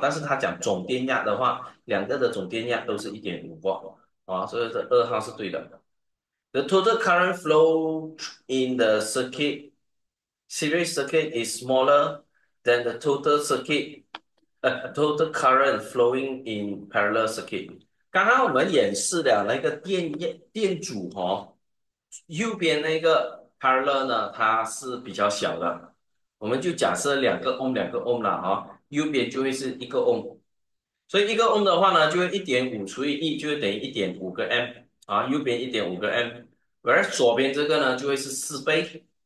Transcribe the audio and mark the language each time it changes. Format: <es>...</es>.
<zh>但是他讲总电压的话，两个的总电压都是1.5伏啊，所以这二号是对的。</zh> <en>The total current flow in the series circuit is smaller than the total current flowing in parallel circuit。</en> <zh>刚刚我们演示了那个电阻哦。右边那个 parallel 呢，它是比较小的，我们就假设两个 ohm 了啊，右边就会是一个 ohm，所以一个 ohm 的话呢，就会1.5除以一，就会等于1.5个 A 啊，右边1.5个 A，而左边这个呢，就会是4倍</zh>